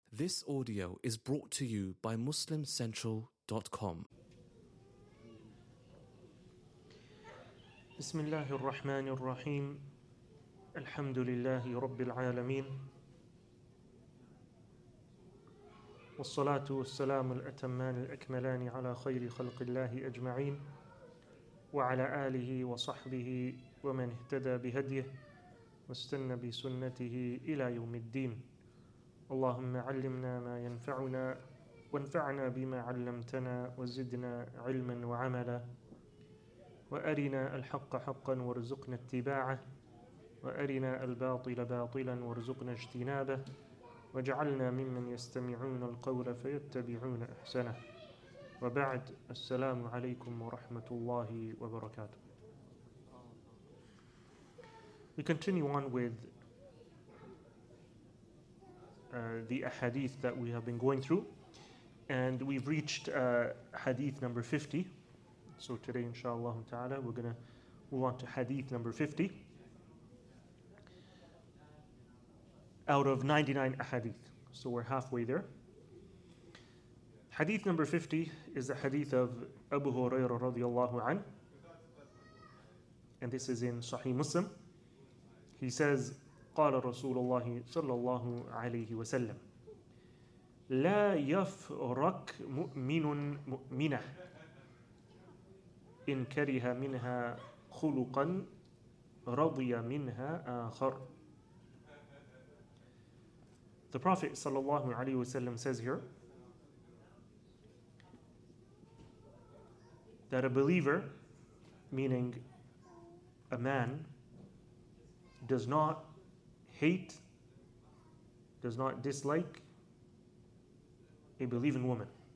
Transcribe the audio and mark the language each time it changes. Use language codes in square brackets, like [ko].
[en] This audio is brought to you by MuslimCentral.com. [ar] بسم الله الرحمن الرحيم الحمد لله رب العالمين والصلاة والسلام الأتمان الأكملان على خير خلق الله أجمعين وعلى آله وصحبه ومن اهتدى بهديه واستنى بسنته إلى يوم الدين اللهم علمنا ما ينفعنا وانفعنا بما علمتنا وزدنا علما وعملا وأرنا الحق حقا وارزقنا اتباعه وأرنا الباطل باطلا وارزقنا اجتنابه واجعلنا ممن يستمعون القول فيتبعون أحسنه وبعد السلام عليكم ورحمة الله وبركاته. [en] We continue on with the ahadith that we have been going through, and we've reached hadith number 50. So today, inshallah ta'ala, we're going to move on to hadith number 50 out of 99 ahadith. So we're halfway there. Hadith number 50 is the hadith of Abu Hurairah radiallahu an, and this is in Sahih Muslim. He says, [ar] قال رسول الله صلى الله عليه وسلم لا يفرق مؤمن مؤمنة إن كره منها خلقا رضي منها آخر. [en] The Prophet [ar] صلى الله عليه وسلم [en] says here that a believer, meaning a man, does not hate, does not dislike a believing woman.